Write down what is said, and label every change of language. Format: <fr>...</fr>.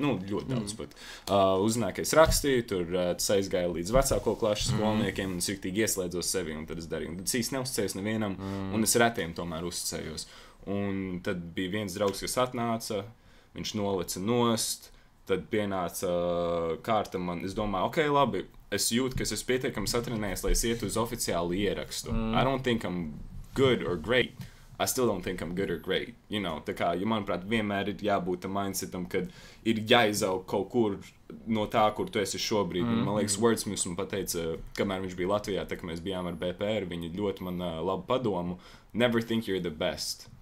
<lv>Nu, ļoti daudz, bet uznāju, ka es rakstīju, tur es aizgāju līdz vecāko klašu skolniekiem un es riktīgi ieslēdzos sevi un tad es darīju. Tad es īsti neuzticējos nevienam un es retiem tomēr uzticējos. Un tad bija viens draugs, kas atnāca, viņš nolica nost, tad pienāca kārta man, es domāju, ok, labi, es jūtu, ka es pietiekam satrenējies, lai es ietu uz oficiālu ierakstu.</lv> <en>I don't think I'm good or great. I still don't think I'm good or great, you know,</en> <lv>tā kā, jo manuprāt, vienmēr ir jābūt tam mindsetam, kad ir jāizaug kaut kur no tā, kur tu esi šobrīd, man liekas, Wordsmiths man pateica, kamēr viņš bija Latvijā, tā kā mēs bijām ar BPR, viņi ļoti man labu padomu,</lv> <en>never think you're the best.</en>